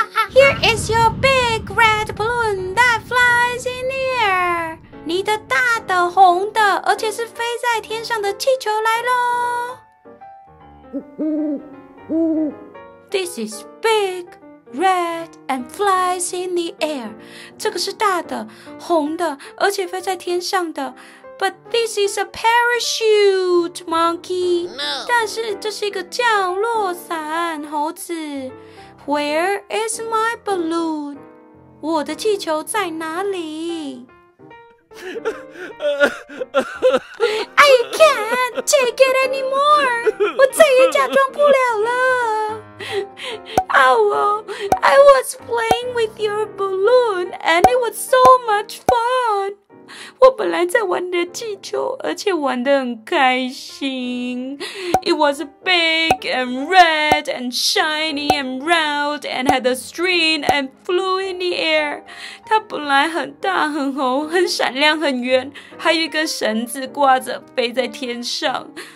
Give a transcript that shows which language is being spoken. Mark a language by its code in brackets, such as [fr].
[en] Here is your big red balloon that flies in the air. [zh] 你的大的红的而且是飞在天上的气球来咯。 [en] This is big red and flies in the air. [zh] 这个是大的红的而且飞在天上的。 [en] But this is a parachute monkey. No. [zh] 但是这是一个降落伞猴子。 [en] Where is my balloon? [zh] 我的气球在哪里？ [en] I can't take it anymore. [zh] 我再也假装不了了。 [en] I was playing with your balloon and it was so much fun. [zh] 我本来在玩的气球，而且玩得很开心。 [en] It was big and red and shiny and round and had a string and flew in the air. [zh] 它本来很大、很红、很闪亮、很圆，还有一根绳子挂着飞在天上。